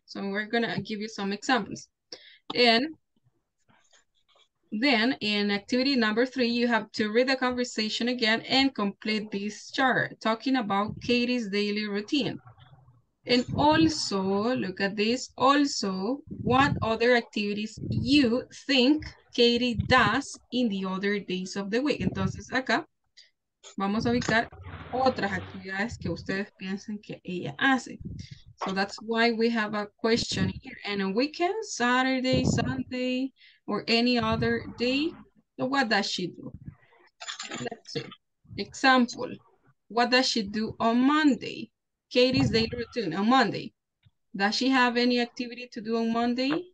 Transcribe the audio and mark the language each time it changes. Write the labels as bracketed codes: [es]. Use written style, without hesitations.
[en] So we're going to give you some examples. And then, in activity number three, you have to read the conversation again and complete this chart, talking about Katie's daily routine. And also, look at this, also, what other activities you think Katie does in the other days of the week. [es] Entonces, acá vamos a ubicar otras actividades que ustedes piensan que ella hace. [en] So that's why we have a question here. And on weekends, Saturday, Sunday, or any other day, so what does she do? Let's see. Example, what does she do on Monday? Katie's daily routine on Monday. Does she have any activity to do on Monday?